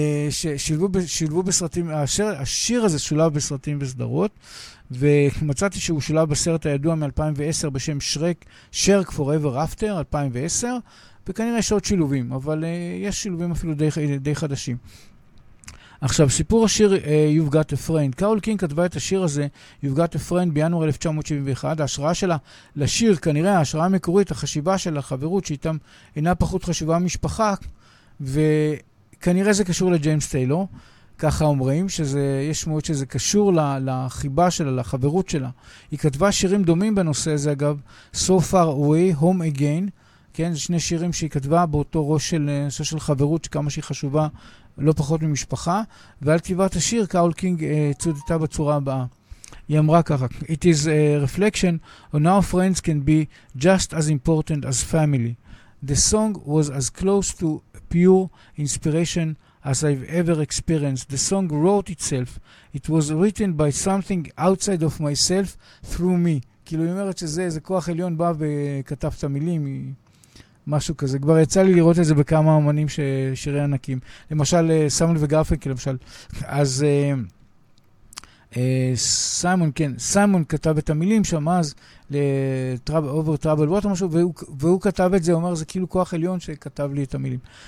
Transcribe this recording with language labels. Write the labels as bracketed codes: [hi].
[he] ששילבו בסרטים, השיר הזה שולב בסרטים וסדרות, ומצאתי שהוא שולב בסרט הידוע מ-2010 בשם שרק Forever After 2010, וכנראה יש עוד שילובים, אבל יש שילובים אפילו די חדשים. עכשיו, סיפור השיר You've Got a Friend. קרול קינג כתבה את השיר הזה, You've Got a Friend, בינואר 1971. ההשראה שלה לשיר, כנראה ההשראה המקורית, החשיבה של החברות שאיתם אינה פחות חשיבה משפחה, וכנראה זה קשור לג'יימס טיילור, ככה אומרים, יש שמועות שזה קשור לחיבה שלה, לחברות שלה. היא כתבה שירים דומים בנושא הזה, אגב, So Far Away, Home Again, כן, זה שני שירים שהיא כתבה באותו ראש של נושא של חברות, כמה שהיא חשובה, לא פחות ממשפחה. ועל כתיבת השיר, קרול קינג צודתה בצורה הבאה. היא אמרה ככה, [en] It is a reflection on how friends can be just as important as family. The song was as close to pure inspiration as I've ever experienced. The song wrote itself. It was written by something outside of myself through me. [he] כאילו היא אומרת שזה, זה כוח עליון בא וכתב את המילים, היא... משהו כזה. כבר יצא לי לראות את זה בכמה אמנים ששירי ענקים. למשל, סיימון וגרפנקל, למשל. אז סיימון, כן, סיימון כתב את המילים שם אז, Over Trouble Water, משהו, והוא כתב את זה, אומר, זה כאילו כוח עליון שכתב לי את המילים.